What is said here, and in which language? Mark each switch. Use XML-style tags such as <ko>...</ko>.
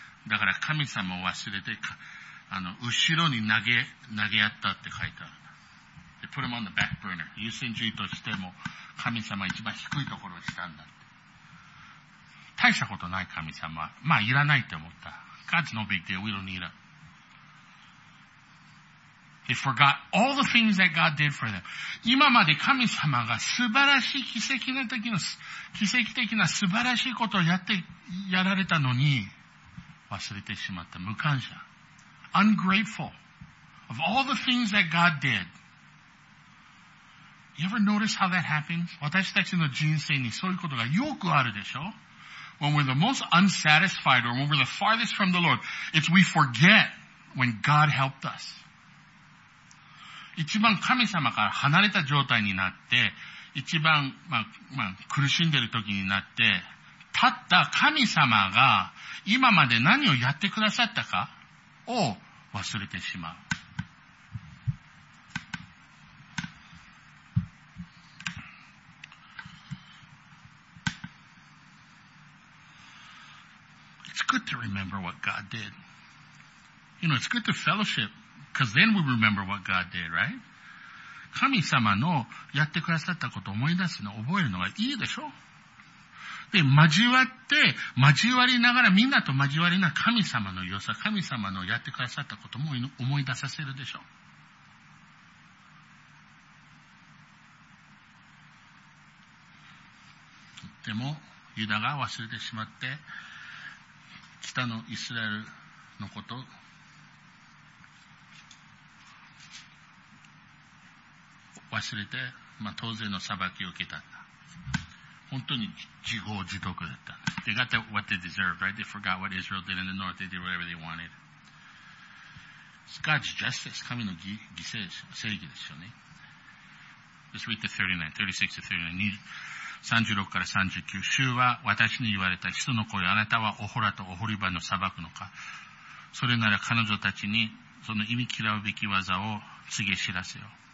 <ja>だから神様を忘れて、後ろに投げやったって書いてある。</ja> <en>They put him on the back burner.</en> <ja>優先順位としても神様一番低いところにしたんだって。大したことない神様。まあいらないって思った。</ja> <en>God's no big deal. We don't need him. They forgot all the things that God did for them.</en> <ja>今まで神様が素晴らしい奇跡の時の、奇跡的な素晴らしいことをやって、やられたのに、忘れてしまった。無感謝。</ja> <en>Ungrateful. Of all the things that God did. You ever notice how that happens?</en> <ja>私たちの人生にそういうことがよくあるでしょ?</ja> <en>When we're the most unsatisfied or when we're the farthest from the Lord, it's we forget when God helped us.</en> <ja>一番神様から離れた状態になって、一番、まあ、まあ、苦しんでる時になって、たった神様が今まで何をやってくださったかを忘れてしまう。</ja> <en>It's good to remember what God did. You know, it's good to fellowship, because then we remember what God did, right?</en> <ja>神様のやってくださったことを思い出すの、覚えるのがいいでしょ? で、交わって、交わりながら、みんなと交わりな神様の良さ、神様のやってくださったことも思い出させるでしょう。でも、ユダが忘れてしまって、北のイスラエルのこと、忘れて、まあ、当然の裁きを受けた。本当に自業自得だった。</ja> <en>They got what they deserved, right? They forgot what Israel did in the north. They did whatever they wanted. It's God's justice.</en> <ja>神の義正正義ですよね。</ja> <en>Let's read the 39, 36 to 39.</en> <ja>36から39。主は私に言われた人の声、あなたはオホラとオホリバの裁くのか。それなら彼女たちにその忌み嫌うべき技を告げ知らせよ。</ja>